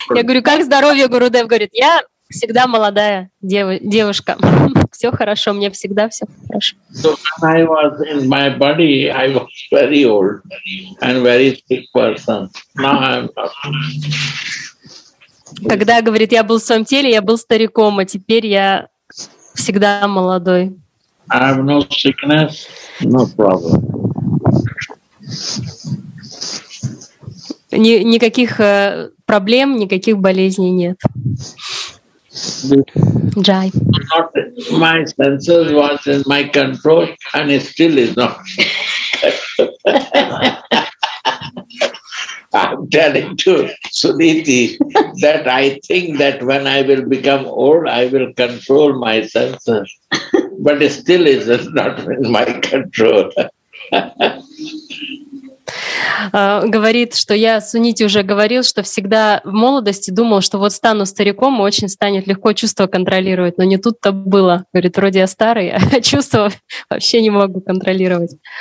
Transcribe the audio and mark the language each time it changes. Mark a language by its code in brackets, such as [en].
[ru] Я говорю, как здоровье, Гурудев? Говорит, я всегда молодая девушка. Все хорошо, мне всегда все хорошо. [en] So when I was in my body, I was very old and very sick person. Now I'm not. [ru] Когда, говорит, я был в своем теле, я был стариком, а теперь я всегда молодой. [en] I have no sickness, no problem. [ru] Никаких проблем, никаких болезней нет. Джай. [en] My senses was in my control and it still is not. I'm telling to Suniti that I think that when I will become old, I will control my senses. But it still is not in my control. [ru] Говорит, что я Сунити уже говорил, что всегда в молодости думал, что вот стану стариком, и очень станет легко чувство контролировать, но не тут-то было. Говорит, вроде я старый, а чувство вообще не могу контролировать.